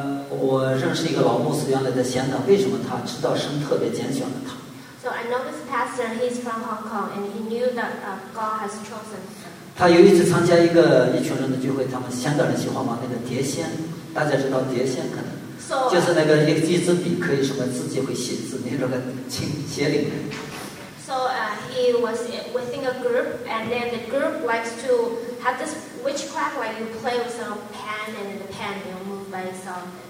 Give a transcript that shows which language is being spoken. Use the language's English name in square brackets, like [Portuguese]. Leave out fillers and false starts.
[Chinese] 我认识一个老牧师，原来在香港。为什么他知道神特别拣选了他 [English] ？So I know this pastor. He's from Hong Kong, and he knew that God has chosen him. [Chinese] 他有一次参加一群人的聚会，他们香港人喜欢玩那个碟仙，大家知道碟仙可能 so, 就是那个一支笔可以什么自己会写字那种的写领。 [English] So he was within a group, and then the group likes to have this witchcraft, like you play with some. And then the pen will move by itself.